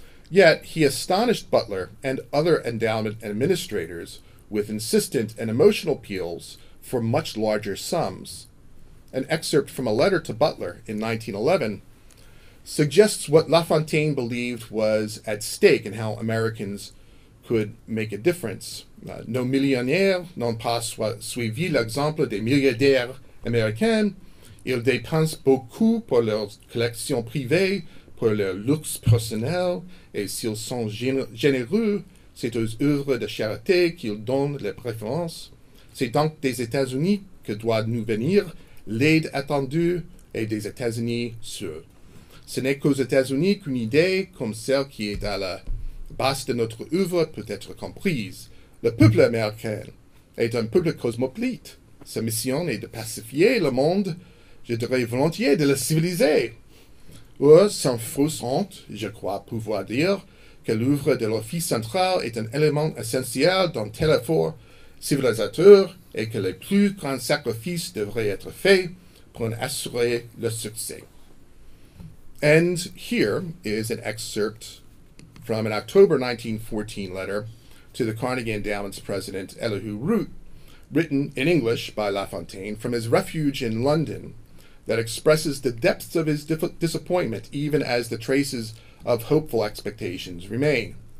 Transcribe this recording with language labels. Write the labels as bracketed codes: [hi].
[en] Yet, he astonished Butler and other endowment administrators with insistent and emotional appeals for much larger sums. An excerpt from a letter to Butler in 1911 suggests what Lafontaine believed was at stake and how Americans could make a difference. [fr] Nos millionnaires n'ont pas suivi l'exemple des milliardaires américains. Ils dépensent beaucoup pour leurs collections privées, pour leur luxe personnel, et s'ils sont généreux, c'est aux œuvres de charité qu'ils donnent les préférences. C'est donc des États-Unis que doit nous venir l'aide attendue et des États-Unis sûrs. Ce n'est qu'aux États-Unis qu'une idée comme celle qui est à la base de notre œuvre peut être comprise. Le peuple américain est un peuple cosmopolite. Sa mission est de pacifier le monde, je dirais volontiers de le civiliser. Or, sans fausse honte, je crois pouvoir dire que l'œuvre de l'Office central est un élément essentiel dans tel effort civilisateur et que les plus grands sacrifices devraient être faits pour en assurer le succès. [en] And here is an excerpt from an October 1914 letter to the Carnegie Endowment's president, Elihu Root, written in English by Lafontaine from his refuge in London, that expresses the depths of his disappointment even as the traces of hopeful expectations remain.